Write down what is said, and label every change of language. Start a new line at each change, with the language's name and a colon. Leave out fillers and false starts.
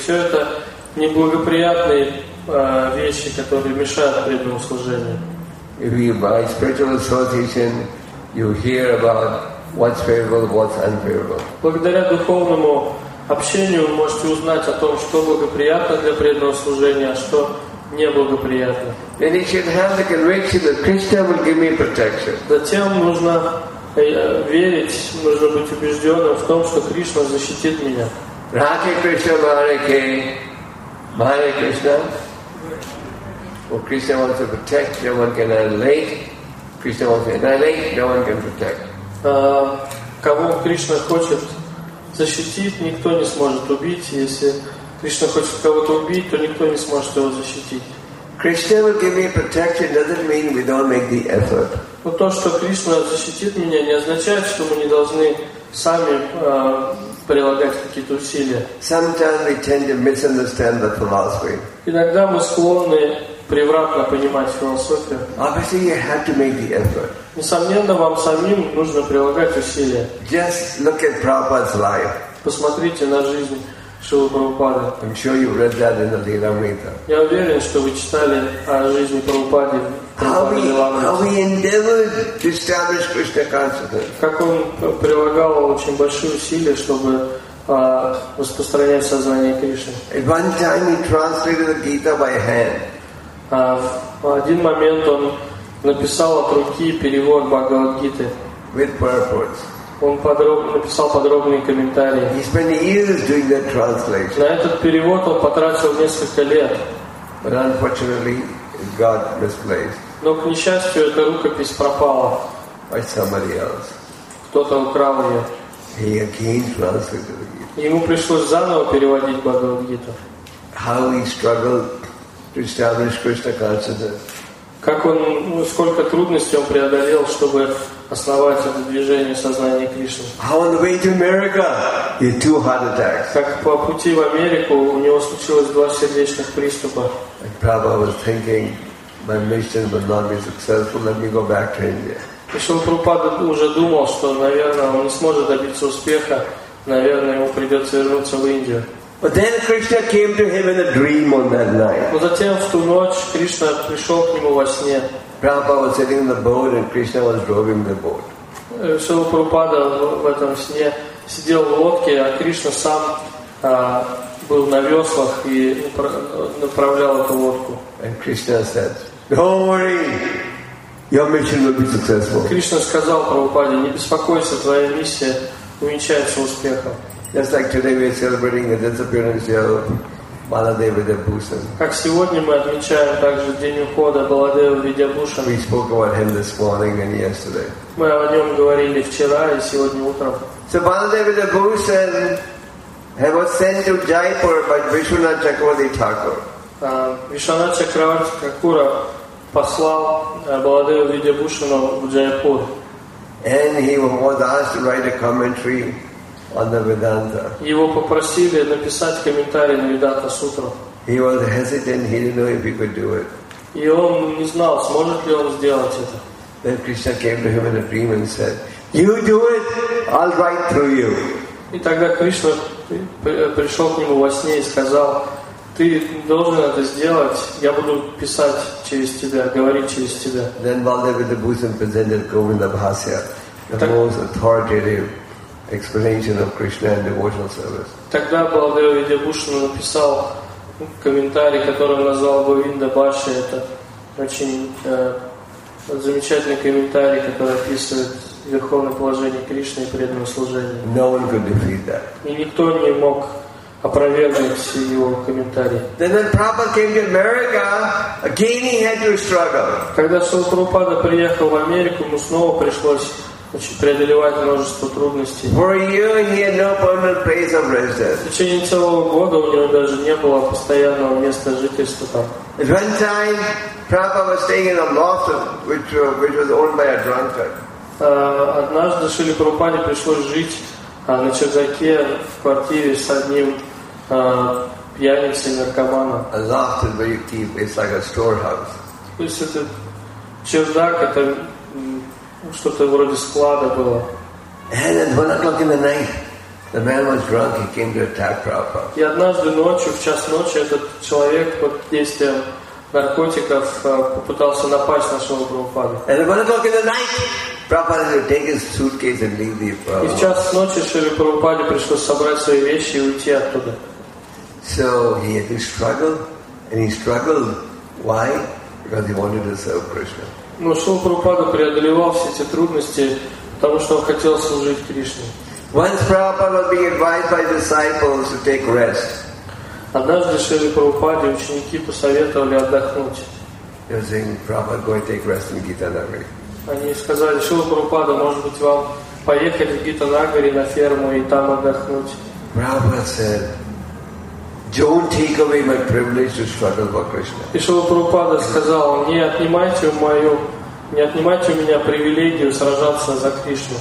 Russian: Все это неблагоприятные вещи, которые мешают преданному служению.
English: If you buy spiritual association, you hear about what's favorable, what's unfavorable.
Russian: Благодаря духовному общению вы можете узнать о том, что благоприятно для преданного служения, а что неблагоприятно.
English: Then you should have the conviction that Krishna will give me protection.
Russian: Затем нужно верить, нужно быть убежденным в том, что Кришна защитит меня. Радхе Кришна Марике, Маре Кришна.
English: Well, Krishna wants to protect, no one can annihilate. Krishna wants to annihilate, no one can protect.
Russian: Кого Кришна хочет защитить, никто не сможет убить. Если Кришна хочет кого-то убить, то никто не сможет его защитить.
English: Krishna will give me protection doesn't mean we don't make the effort.
Russian: Но то, что Кришна защитит меня, не означает, что мы не должны сами прилагать какие-то усилия.
English: Sometimes we tend to misunderstand the philosophy.
Russian: Иногда мы склонны превратно понимать философию.
English: Obviously, you have to make the effort.
Russian: Несомненно, вам самим нужно прилагать усилия.
English: Just look at Prabhupada's life.
Russian: Посмотрите на жизнь Шрилы Прабхупады.
English: I'm sure you've read that in the Lilamrita.
Russian: Я уверен, что вы читали о жизни Прабхупады.
English: How he endeavored to establish Krishna consciousness.
Russian: Как он прилагал очень большие усилия, чтобы распространять сознание Кришны.
English: At one time he translated the Gita by hand.
Russian: В один момент он написал от руки перевод Бхагавад-гиты
English: with purports.
Russian: Он написал подробные комментарии.
English: He spent years doing that translation.
Russian: На этот перевод он потратил несколько лет.
English: But unfortunately, it got misplaced.
Russian: Но, к несчастью, эта рукопись пропала.
English: By somebody else.
Russian: Кто-то украл ее.
English: He again translated the Gita.
Russian: Ему пришлось заново переводить Бхагавад-гиту.
English: How he struggled to establish Krishna consciousness.
Russian: Как он, сколько трудностей он преодолел, чтобы основать это движение сознания Кришны.
English: How on the way to America, he had two heart attacks.
Russian: Как по пути в Америку у него случилось два сердечных приступа.
English: And Prabhupada was thinking, my mission will not be successful, let me go back to India.
Russian: И Шрила Прабхупада уже думал, что, наверное, он не сможет добиться успеха, наверное, ему придется вернуться в Индию.
English: But then Krishna came to him in a dream on that night.
Russian: Но затем в ту ночь Кришна пришел к нему во сне.
English: Prabhupada was sitting in the boat and Krishna was driving the boat.
Russian: Шрила Прабхупада в этом сне сидел в лодке, а Кришна сам был на веслах и направлял эту лодку.
English: And Krishna said, "Don't worry, your mission will be successful."
Russian: Кришна сказал Прабхупаде, не беспокойся, твоя миссия увенчается успехом.
English: Just like today we are celebrating the disappearance of Baladeva Vidyabhushan.
Russian: Как сегодня мы отмечаем также день ухода Баладевы Видьябхушан.
English: We spoke about him this morning and yesterday.
Russian: Мы о нем говорили вчера и сегодня утром.
English: So Baladeva Vidyabhushan was sent to Jaipur by Vishwanath Chakravarti Thakur.
Russian: Vishwanath Chakravarti Thakura послал Баладеву Видьябхушану в Джайпур.
English: And he was asked to write a commentary. On the Vedanta.
Russian: Его попросили написать комментарий на Ведата Сутру.
English: He was hesitant. He didn't know if he could do it.
Russian: И он не знал, сможет ли он сделать это.
English: Then Krishna came to him in a dream and said, "You do it. I'll write through you."
Russian: И тогда Кришна пришел к нему во сне и сказал, "Ты должен это сделать. Я буду писать через тебя, говорить через тебя."
English: Then Baladeva Vidyabhushan presented Govinda Bhasya, the most authoritative. Explanation of Krishna and devotional service.
Russian: Тогда Баладева Видьябхушана написал комментарий, который назвал Говинда Бхаша. Это очень замечательный комментарий, который описывает верховное положение Кришны и преданное служение.
English: No one could defeat that.
Russian: И никто не мог опровергнуть его комментарий.
English: Then when Prabhupada came to America, again he had to struggle.
Russian: Когда Шрила Прабхупада приехал в Америку, ему снова пришлось преодолевать множество трудностей.
English: For a year he had no permanent place of residence.
Russian: В течение целого года у него даже не было постоянного места жительства там.
English: At one time, Prabhupada was staying in a loft which was owned by a drunkard.
Russian: Однажды Шриле Прабхупаде пришлось жить на чердаке в квартире с одним пьяницей наркоманом.
English: A loft is very deep. It's like a storehouse.
Russian: То есть это чердак, это что-то вроде склада было.
English: And at 1 o'clock in the night, the man was drunk. He came to attack Prabhupada.
Russian: И однажды ночью, в час ночи, этот человек под действием наркотиков попытался напасть на своего Прабхупаду.
English: And at 1 o'clock in the night, Prabhupada had to take his suitcase and leave the apartment.
Russian: И в час ночи Шриле Прабхупаде пришлось собрать свои вещи и уйти оттуда.
English: So he had to struggle, and he struggled. Why? Because he wanted to serve Krishna.
Russian: Но Шрила Прабхупада преодолевал все эти трудности, потому что он хотел служить Кришне.
English: Once Prabhupada was being advised by disciples to take rest.
Russian: Однажды Шриле Прабхупаде ученики посоветовали отдохнуть.
English: They were saying, "Prabhupada, go and take rest in Gita Nagari."
Russian: Они сказали, Шрила Прабхупада, может быть, вам поехать в Гита Нагари на ферму и там отдохнуть.
English: Prabhupada said, "Don't take away my privilege to struggle for Krishna."
Russian: И Шрила Прабхупада сказал, не отнимайте у меня привилегию сражаться за Кришну.